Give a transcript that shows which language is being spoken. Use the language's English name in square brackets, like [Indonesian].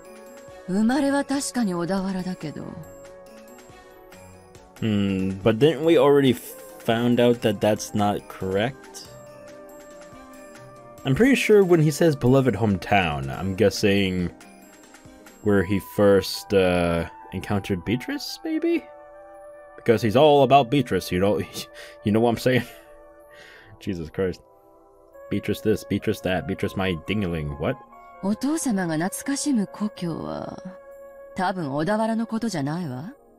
[Japanese] 最初に出てくる懐かしき故郷というのはどういう意味なのかしら。普通に考えたらお父様の故郷を指すのかしら。懐かしきとわざわざ断るところを見るととても思い入れのある故郷のように思えるわね。お父さんは小田原の出身だったかしら。生まれは確かに小田原だけど。 [English] But didn't we already found out that that's not correct? I'm pretty sure when he says beloved hometown, I'm guessing where he first encountered Beatrice, maybe? Because he's all about Beatrice, you know what I'm saying? Jesus Christ. Beatrice this, Beatrice that, Beatrice my ding-a-ling, what? [Japanese] 父様が懐かしむ故郷は多分小田原のことじゃないわ。